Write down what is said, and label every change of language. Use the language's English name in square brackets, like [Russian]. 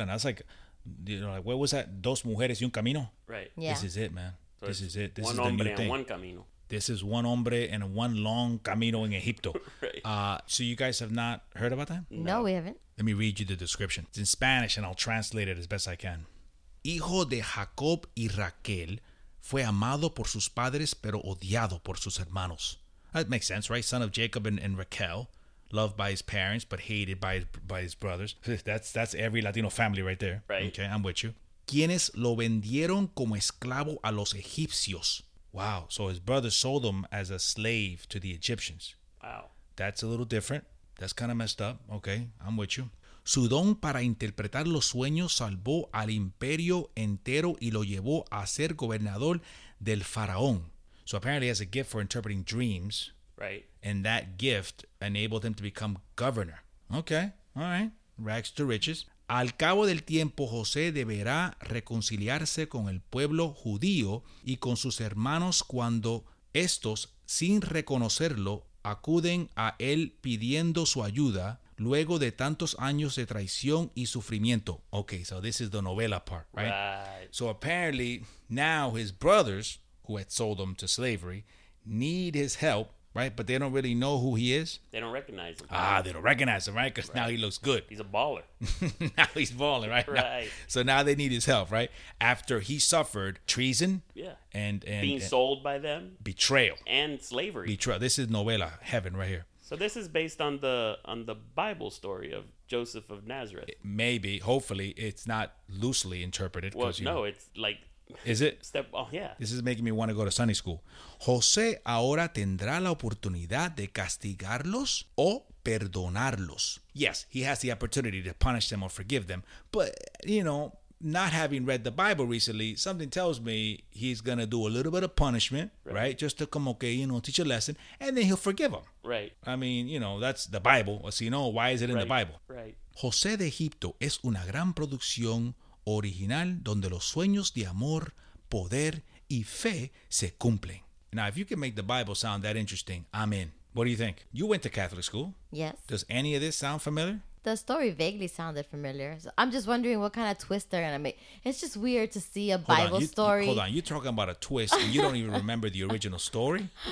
[English] And I was like, you know, like, what was that? [Spanish] Dos mujeres y un camino? [English] Right. Yeah. This is it, man. So this is it. This one is the new thing. One camino. This is one hombre and one long camino in Egipto. Right. So you guys have not heard about that? No, we haven't. Let me read you the description. It's in Spanish and I'll translate it as best I can. [Spanish] Hijo de Jacob y Raquel, fue amado por sus padres pero odiado por sus hermanos. [English] That makes sense, right? Son of Jacob and Raquel, loved by his parents but hated by his brothers. That's every Latino family right there. Right. Okay, I'm with you. [Spanish] Quienes lo vendieron como esclavo a los egipcios. [English] Wow, so his brother sold him as a slave to the Egyptians. Wow. That's a little different. That's kind of messed up. Okay, I'm with you. [Spanish] Su don para interpretar los sueños salvó al imperio entero y lo llevó a ser gobernador del faraón. [English] So apparently he has a gift for interpreting dreams. Right. And that gift enabled him to become governor. Okay, all right. Rags to riches. [Spanish] Al cabo del tiempo, José deberá reconciliarse con el pueblo judío y con sus hermanos cuando estos, sin reconocerlo, acuden a él pidiendo su ayuda luego de tantos años de traición y sufrimiento. [English] Okay, so this is the novela part, right? Right. So apparently, now his brothers, who had sold him to slavery, need his help. Right, but they don't really know who he is. They don't recognize him. Ah, they don't recognize him, right? Because right. Now he looks good. He's a baller. Now he's balling, right? Right. Now, so now they need his help, right? After he suffered treason. Yeah. And being and sold by them. Betrayal. And slavery. Betrayal. This is novela heaven right here. So this is based on the Bible story of Joseph of Nazareth. Maybe. Hopefully. It's not loosely interpreted. Well, no. It's like... Is it? Step, oh, yeah. This is making me want to go to Sunday school. [Spanish] José ahora tendrá la oportunidad de castigarlos o perdonarlos. [English] Yes, he has the opportunity to punish them or forgive them. But, you know, not having read the Bible recently, something tells me he's going to do a little bit of punishment, right? Just to come, okay, you know, teach a lesson, and then he'll forgive them. Right. I mean, you know, that's the Bible. So, you know, why is it in the Bible? Right. [Spanish] José de Egipto es una gran producción original donde los sueños de amor, poder y fe se cumplen. [English] Now, if you can make the Bible sound that interesting, I'm in. What do you think? You went to Catholic school. Yes. Does any of this sound familiar? The story vaguely sounded familiar. So I'm just wondering what kind of twist they're going to make. It's just weird to see a Bible story. Hold on. You're talking about a twist and you don't even remember the original story?